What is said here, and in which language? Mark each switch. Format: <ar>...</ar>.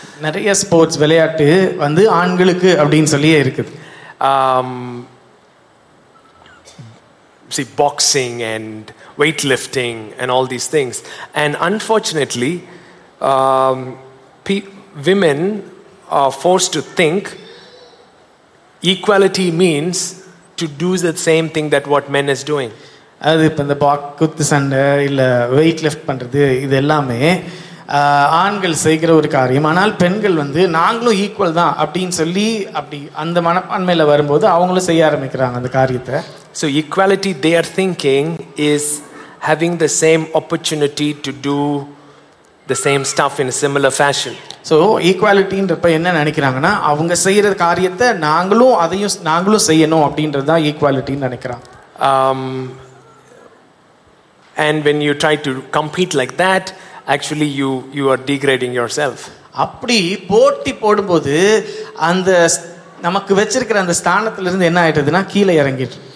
<ta>நிறைய ஸ்போர்ட்ஸ் விளையாட்டு வந்து ஆண்களுக்கு அப்படினு சொல்லியே இருக்குது.</ta> <en>See, boxing and weightlifting and all these things. And unfortunately, women are forced to think equality means to do the same thing that what men is doing.</en> <ta>அது இப்போ இந்த குத்து சண்டை இல்லை வெயிட் லிஃப்ட் பண்ணுறது இது எல்லாமே ஆண்கள் செய்கிற ஒரு காரியம், ஆனால் பெண்கள் வந்து நாங்களும் ஈக்குவல் தான் அப்படின்னு சொல்லி அப்படி அந்த மனப்பான்மையில் வரும்போது அவங்களும் செய்ய ஆரம்பிக்கிறாங்க அந்த காரியத்தை.</ta> <en>So equality they are thinking is having the same opportunity to do the same stuff in similar fashion.</en> <ta>So ஈக்குவாலிட்டின்றப்ப என்ன நினைக்கிறாங்கன்னா அவங்க செய்கிற காரியத்தை நாங்களும் அதையும் நாங்களும் செய்யணும் அப்படின்றது தான் ஈக்குவாலிட்டின்னு நினைக்கிறாங்க.</ta> <en>And when you try to compete like that, actually you are degrading yourself.</en> <ta>அப்படி போட்டி போடும்போது அந்த நமக்கு வெச்சிருக்கிற அந்த ஸ்தானத்துல இருந்து என்ன ஆயிடுதுனா கீழே இறங்கிடு.</ta>